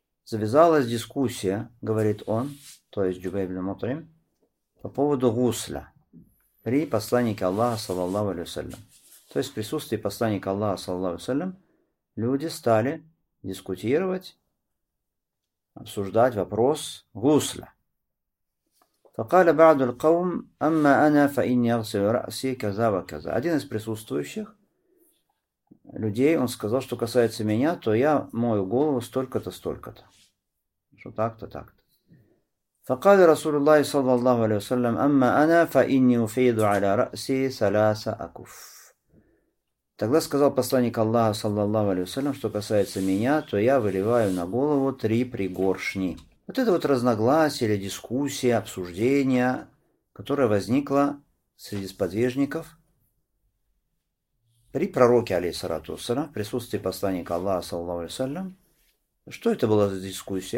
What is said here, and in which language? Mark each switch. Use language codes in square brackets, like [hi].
[ru] Завязалась дискуссия, говорит он, то есть Джубейр ибн Мутайм, по поводу гусля при посланнике Аллаха саллаллаху алейхи ва саллям. То есть в присутствии посланника Аллаха саллаллаху алейхи ва саллям люди стали дискутировать, обсуждать вопрос гусля. [ar] فقال بعض القوم اما انا فاني اغسل راسي كذا وكذا. [ru] Один из присутствующих людей, он сказал, что касается меня, то я мою голову столько-то, столько-то. Что так-то, так-то. [ar] فقال رسول الله صلى الله عليه وسلم اما انا فاني افيد على راسي ثلاثه اكف. [ru] Тогда сказал посланник Аллаха [ar] صلى الله عليه وسلم, [ru] что касается меня, то я выливаю на голову три пригоршни. Вот это вот разногласие или дискуссия, обсуждение, которое возникло среди сподвижников при пророке, алейхиссалату вассалям, в присутствии посланника Аллаха, саллаллаху алейхи вассалям, что это была за дискуссия?